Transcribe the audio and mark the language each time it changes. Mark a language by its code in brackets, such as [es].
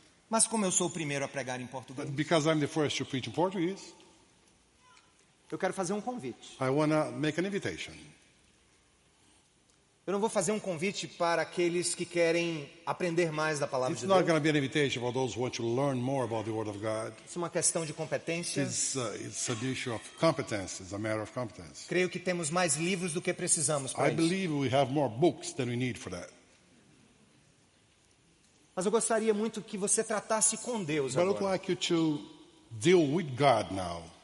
[pt] Mas como eu sou o primeiro a pregar em português. [en] Because I'm the first to preach in Portuguese. [pt] Eu quero fazer um convite. [en] I want to make an invitation. [pt] Eu não vou fazer um convite para aqueles que querem aprender mais da palavra [en] It's [pt] de Deus. [en] It's not going to be an invitation for those who want to learn more about the word of God. [pt] Isso é uma questão de competência. [en] It's an issue of competence. It's a matter of competence. [pt] Creio que temos mais livros do que precisamos para isso. [en] I believe we have more books than we need for that. [pt] Mas eu gostaria muito que você tratasse com Deus [en] But [pt] agora. [en] I would like you to deal with God now.